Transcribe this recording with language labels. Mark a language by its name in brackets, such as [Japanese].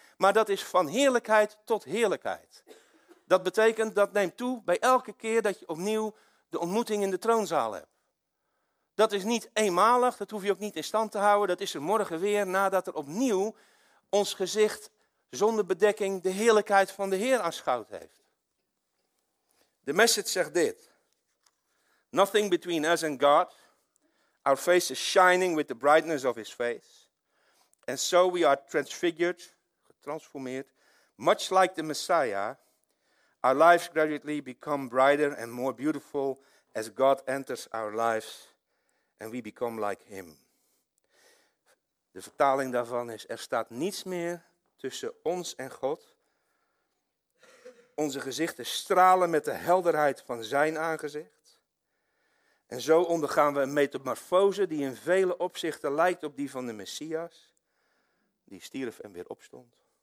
[Dutch] Maar dat is van heerlijkheid tot heerlijkheid. Dat betekent, dat neemt toe bij elke keer dat je opnieuw de ontmoeting in de troonzaal hebt. Dat is niet eenmalig, dat hoef je ook niet in stand te houden. Dat is er morgen weer, nadat er opnieuw ons gezicht zonder bedekking de heerlijkheid van de Heer aanschouwd heeft. De message zegt dit. [English] Nothing between us and God. Our face is shining with the brightness of his face. And so we are transfigured, getransformeerd. Much like the Messiah, our lives gradually become brighter and more beautiful as God enters our lives and we become like him. [Dutch] De vertaling daarvan is, er staat niets meer tussen ons en God. Onze gezichten stralen met de helderheid van zijn aangezicht. En zo ondergaan we een metamorfose die in vele opzichten lijkt op die van de Messias, die stierf en weer opstond.